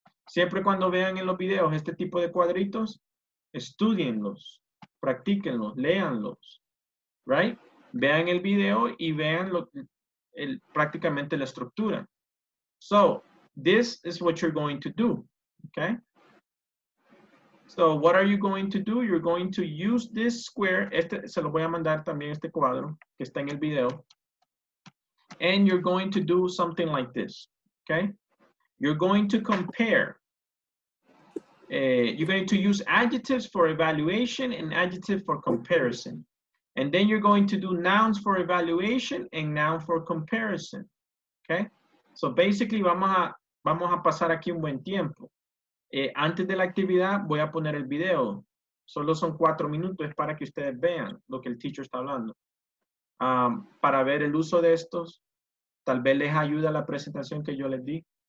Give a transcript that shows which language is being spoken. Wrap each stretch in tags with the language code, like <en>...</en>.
<es>Siempre cuando vean en los videos este tipo de cuadritos, estudienlos. Practíquenlos, léanlos, right? Vean el video y vean prácticamente la estructura.</es> <en>So, this is what you're going to do, okay? So, what are you going to do? You're going to use this square.</en> <es>Este, se lo voy a mandar también este cuadro que está en el video.</es> <en>And you're going to do something like this, okay? You're going to compare. You're going to use adjectives for evaluation and adjective for comparison. And then you're going to do nouns for evaluation and noun for comparison. Okay? So basically,</en> <es>vamos a pasar aquí un buen tiempo. Antes de la actividad, voy a poner el video. Solo son 4 minutos para que ustedes vean lo que el teacher está hablando. Para ver el uso de estos, tal vez les ayuda la presentación que yo les di.</es>